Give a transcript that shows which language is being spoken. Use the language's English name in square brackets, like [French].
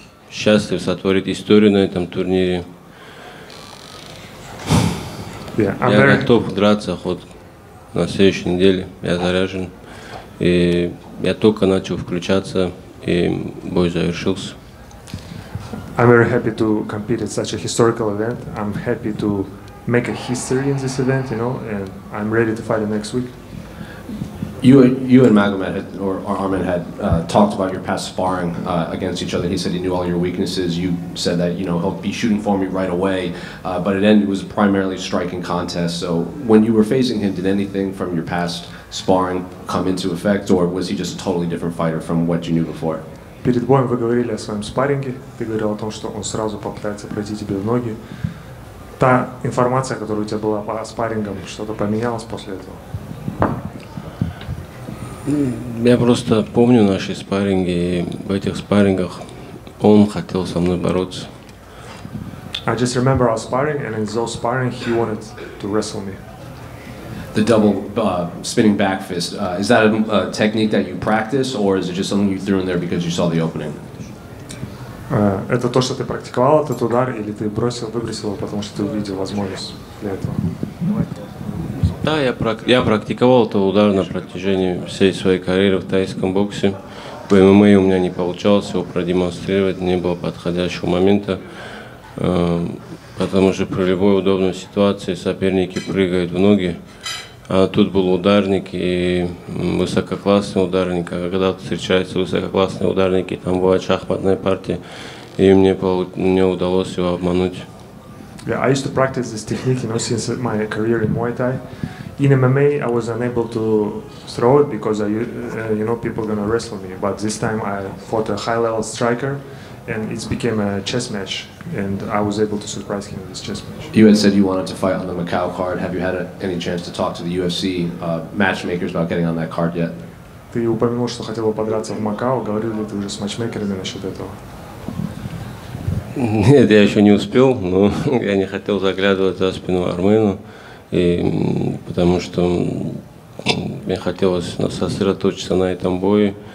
[Russian] Счастлив сотворить историю на этом турнире. Я готов драться хоть на следующей неделе. Я заряжен. И я только начал включаться, и бой завершился. [English] I'm very happy to compete at such a historical event. I'm happy to make a history in this event, you know, and I'm ready to fight it next week. You and Magomed had, or Armin had talked about your past sparring against each other. He said he knew all your weaknesses. You said that, you know, he'll be shooting for me right away. But it ended, it was a primarily striking contest. So when you were facing him, did anything from your past sparring come into effect, or was he just a totally different fighter from what you knew before? [Russian] Перед боем вы говорили о своем спарринге. Ты говорил о том, что он сразу попытается пройти тебе в ноги. Та информация, которая у тебя была по спаррингам, что-то поменялось после этого? Я просто помню наши спарринги. И в этих спаррингах он хотел со мной бороться. [English] I just remember our sparring, and in those sparring he wanted to wrestle me. The double spinning back fist, is that a technique that you practice, or is it just something you threw in there because you saw the opening? [Russian] Это то, что ты практиковал этот удар, или ты бросил, выбросил его, потому что ты увидел возможность для этого? Да, я практиковал этот удар на протяжении всей своей карьеры в тайском боксе. В ММА у меня не получалось его продемонстрировать, не было подходящего момента. Потому что при любой удобной ситуации соперники прыгают в ноги. А тут был ударник и высококлассный ударник. А когда встречаются высококлассные ударники, там бывает шахматная партия. И мне удалось его обмануть. [English] Yeah, I used to practice this technique, you know, since my career in Muay Thai. In MMA I was unable to throw it because you know, people gonna wrestle me. But this time I fought a high level striker. And it became a chess match, and I was able to surprise him in this chess match. You had said you wanted to fight on the Macau card. Have you had any chance to talk to the UFC matchmakers about getting on that card yet? [Russian] Ты упомянул, что хотел подраться в Макао. Говорил ли ты уже с матчмейкерами насчет этого? Нет, я еще не успел, но я не хотел заглядывать за спину Армену, и потому что мне хотелось сосредоточиться на этом бое.